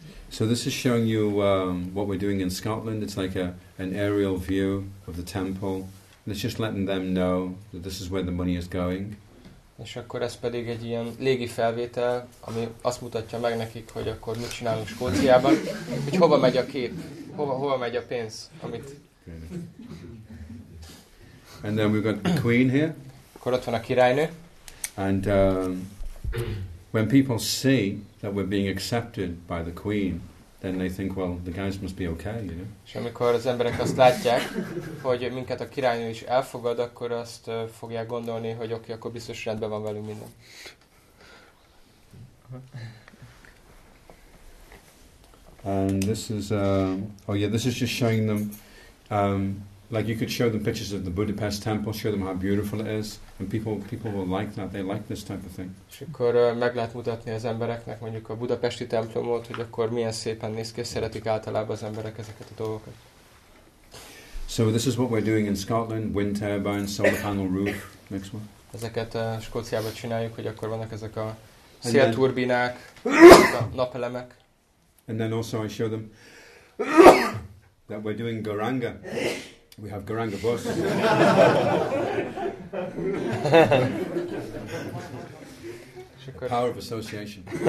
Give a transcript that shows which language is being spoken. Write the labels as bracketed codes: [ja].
[en] So this is showing you what we're doing in Scotland. It's like an aerial view of the temple. And it's just letting them know that this is where the money is going. [hu] És akkor ez pedig egy ilyen légi felvétel, ami azt mutatja meg nekik, hogy akkor mit csinálunk Skóciában, hogy hova megy a kép, hova megy a pénz, amit. [en] And then we've got the queen here. [hu] Akkor ott van a királynő. [en] And when people see that we're being accepted by the queen, then they think, well, the guys must be okay, you know. [hu] És amikor az emberek azt látják, hogy minket a királynő is elfogad, akkor azt fogják gondolni, hogy oké, akkor biztos rendben van velünk minden. [en] And this is, this is just showing them, like you could show them pictures of the Budapest temple, show them how beautiful it is, and people will like that, they like this type of thing. [hu] És akkor meg lehet mutatni az embereknek mondjuk a budapesti templomot, hogy akkor milyen szépen néz ki, szeretik általában az emberek ezeket a dolgokat. [en] So this is what we're doing in Scotland, wind turbine, solar panel roof, next one. [hu] Ezeket Skóciában csináljuk, hogy akkor vannak ezek a szélturbinák, a napelemek. [en] And then also I show them that we're doing Garanga. We have Garanga bus. Power of association.